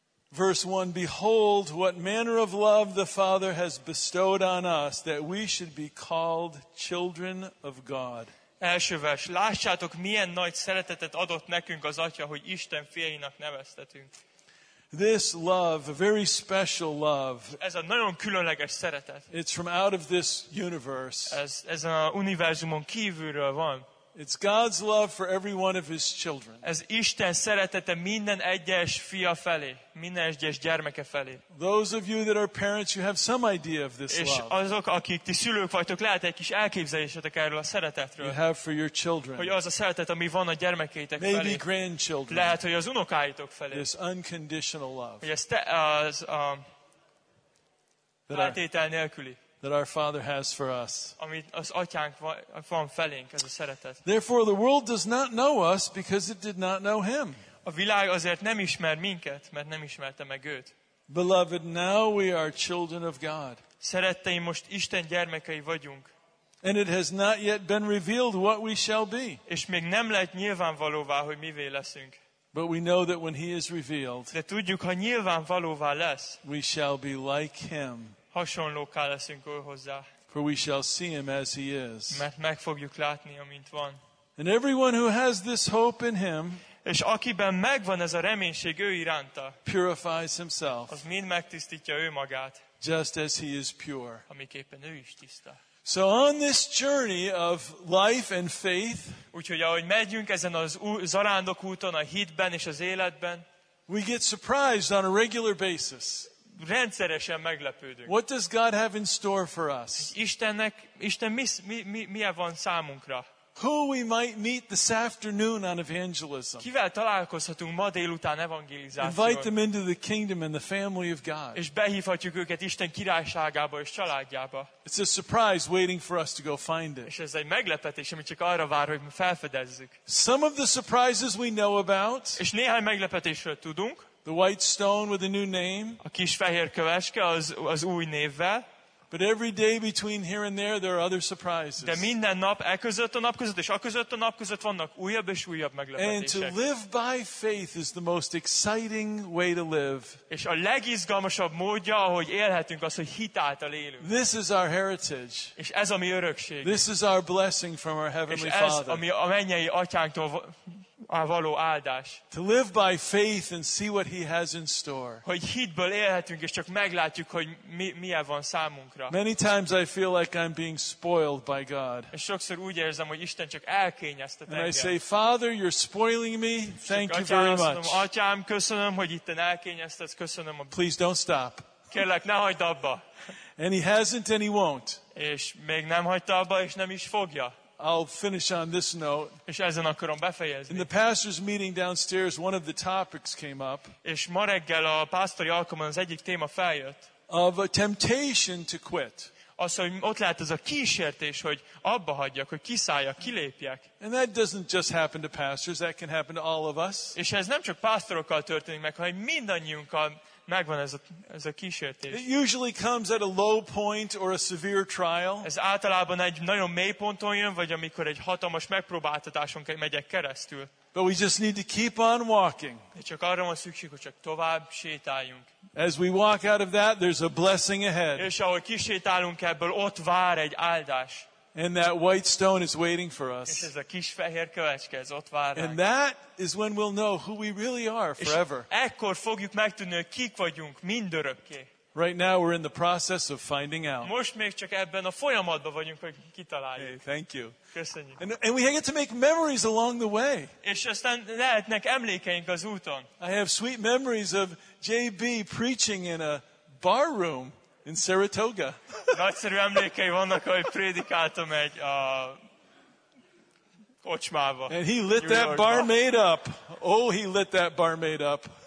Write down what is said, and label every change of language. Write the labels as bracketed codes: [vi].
[en] Verse 1, behold what manner of love the Father has bestowed on us, that we should be called children of God. [hu] Első vers, lássátok, milyen nagy szeretetet adott nekünk az Atya, hogy Isten fiainak neveztetünk. [en] This love, a very special love. [hu] Ez a nagyon különleges szeretet. [en] It's from out of this universe. [hu] Ez a univerzumon kívülről van. [en] It's God's love for every one of his children. [hu] Ez Isten szeretete minden egyes fia felé, minden egyes gyermeke felé. [en] Those of you that are parents, you have some idea of this love. [hu] És azok, akik ti szülők vagytok, lehet egy kis elképzelésetek erről a szeretetről. [en] You have for your children. [hu] Hogy az a szeretet, ami van a gyermekeitek [en] maybe [hu] felé. [en] Maybe grandchildren. [hu] Lehet, hogy az unokáitok felé. [en] This unconditional love. [hu] Hogy ez te, az feltétel nélküli. [en] That our Father has for us. [hu] Amit az Atyánk van felénk, ez a szeretet. [en] Therefore, the world does not know us because it did not know Him. [hu] A világ azért nem ismer minket, mert nem ismerte meg őt. [en] Beloved, now we are children of God. [hu] Szeretteim, most Isten gyermekei vagyunk. [en] And it has not yet been revealed what we shall be. [hu] És még nem lett nyilvánvalóvá, hogy mivé leszünk. [en] But we know that when He is revealed, [hu] de tudjuk, ha nyilvánvalóvá lesz, [en] we shall be like Him. [hu] Hasonlóká leszünk ő hozzá. [en] For we shall see him as he is. [hu] Mert meg fogjuk látni, amint van. [en] And everyone who has this hope in him, [hu] és akiben megvan ez a reménység ő iránta, [en] purifies himself, [hu] az mind megtisztítja ő magát, [en] just as he is pure. [hu] Amiképpen ő is tiszta. [en] So on this journey of life and faith, [hu] úgyhogy ahogy megyünk ezen az zarándok úton a hitben és az életben, [en] we get surprised on a regular basis. [hu] Rendszeresen meglepődünk. [en] What does God have in store for us? [hu] Isten mi van számunkra? [en] Who we might meet this afternoon on evangelism? [hu] Kivel találkozhatunk ma délután evangelizáción? [en] Invite them into the kingdom and the family of God. [hu] És behívhatjuk őket Isten királyságába és családjába. [en] It's a surprise waiting for us to go find it. [hu] És ez egy meglepetés, ami csak arra vár, hogy felfedezzük. [en] Some of the surprises we know about. [hu] És néhány meglepetésről tudunk. [en] The white stone with a new name. [hu] A kis fehér köveske az új névvel. [en] But every day between here and there are other surprises. [hu] De minden nap, e között a nap között és a között a nap között vannak újabb és újabb meglepetések. [en] And to live by faith is the most exciting way to live. [hu] És a legizgalmasabb módja, ahogy élhetünk, az, hogy hit által élünk. [en] This is our heritage. [hu] És ez a mi örökség. [en] This is our blessing from our heavenly Father. [hu] És ez a mi mennyei atyánktól a való áldás. [en] To live by faith and see what he has in store. [hu] Hogy hitből élhetünk és csak meglátjuk, hogy mi van számunkra. [en] Many times I feel like I'm being spoiled by God. [hu] És sokszor úgy érzem, hogy Isten csak elkényeztet engem. [en] And I say, Father, you're spoiling me. Thank you very much. [hu] Atyám, köszönöm, hogy itten elkényeztetsz. Köszönöm. [en] Please don't stop. [hu] Kérlek, ne hagyd abba. [en] And he hasn't and he won't. [hu] És még nem hagyta abba és nem is fogja. [en] I'll finish on this note. [hu] És ezen akarom befejezni. [en] In the pastor's meeting downstairs, one of the topics came up. [hu] És ma reggel a pásztori alkalomon az egyik téma feljött. [en] Of a temptation to quit. [hu] Az, hogy ott lehet ez a kísértés, hogy abba hagyjak, hogy kiszálljak, kilépjek. [en] And that doesn't just happen to pastors, that can happen to all of us. [hu] És ez nem csak pásztorokkal történik meg, hanem mindannyiunkkal. Megvan ez a kísértés. [en] It usually comes at a low point or a severe trial. [hu] Ez általában egy nagyon mély ponton jön, vagy amikor egy hatalmas megpróbáltatáson megyek keresztül. [en] But we just need to keep on walking. [hu] De csak arra van szükség, hogy csak tovább sétáljunk. [en] As we walk out of that, there's a blessing ahead. [hu] És ahogy kisétálunk ebből, ott vár egy áldás. [en] And that white stone is waiting for us. [hu] És ez a kis fehér kövecske, ez ott vár ránk. [en] And that is when we'll know who we really are forever. [hu] És ekkor fogjuk megtudni, hogy kik vagyunk mindörökké. [en] Right now we're in the process of finding out. [hu] Most még csak ebben a folyamatban vagyunk, hogy kitaláljuk. [en] Hey, thank you. [hu] Köszönjük. [en] And we get to make memories along the way. [hu] És aztán lehetnek emlékeink az úton. [en] I have sweet memories of JB preaching in a bar room in Saratoga. [hu] Nagyszerű emlékei vannak, hogy prédikáltam egy kocsmába. [en] And he lit that barmaid up. Oh, he lit that barmaid up.